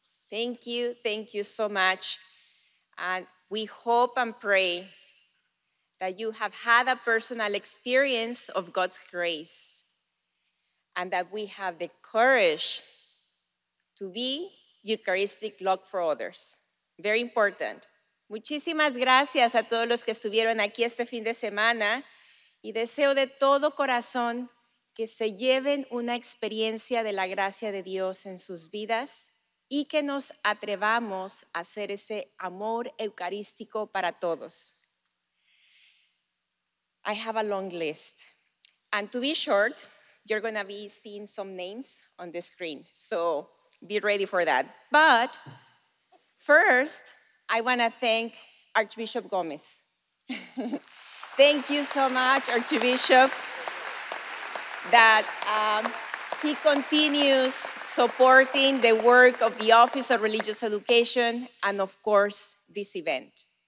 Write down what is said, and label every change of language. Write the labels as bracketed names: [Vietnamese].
[English] Thank you so much. And we hope and pray that you have had a personal experience of God's grace, and that we have the courage to be Eucharistic Lock for others. Very important. [Spanish] Muchísimas gracias a todos los que estuvieron aquí este fin de semana, y deseo de todo corazón que se lleven una experiencia de la gracia de Dios en sus vidas y que nos atrevamos a hacer ese amor eucarístico para todos. [English] I have a long list. And to be short, you're going to be seeing some names on the screen, so be ready for that. But first, I want to thank Archbishop Gomez. Thank you so much, Archbishop, that he continues supporting the work of the Office of Religious Education and, of course, this event.